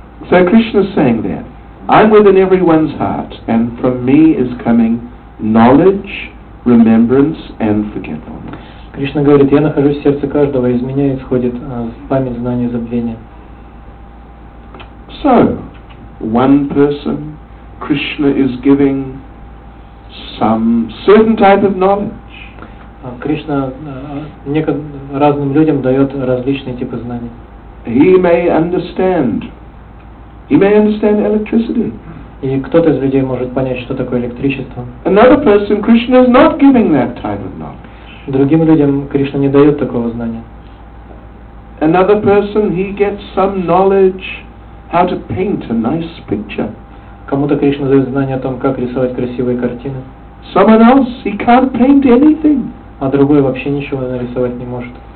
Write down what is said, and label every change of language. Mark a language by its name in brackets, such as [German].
[English] So Krishna's saying that I'm within everyone's heart, and from me is coming knowledge, remembrance, and forgetfulness. [Russian] Кришна говорит, я нахожусь в сердце каждого, из меня исходит память, знание, забвение. [English] So, one person, Krishna is giving some certain type of knowledge. [Russian] Кришна разным людям дает различные типы знаний. [English] He may understand electricity. [Russian] И кто-то из людей может понять, что такое электричество. [English] Another person, Krishna is not giving that type of knowledge. [Russian] Другим людям Кришна не дает такого знания. [English] Another person, he gets some knowledge how to paint a nice picture. [Russian] Кому-то Кришна дает знание о том, как рисовать красивые картины. [English] Someone else, he can't paint anything. [Russian] А другой вообще ничего нарисовать не может.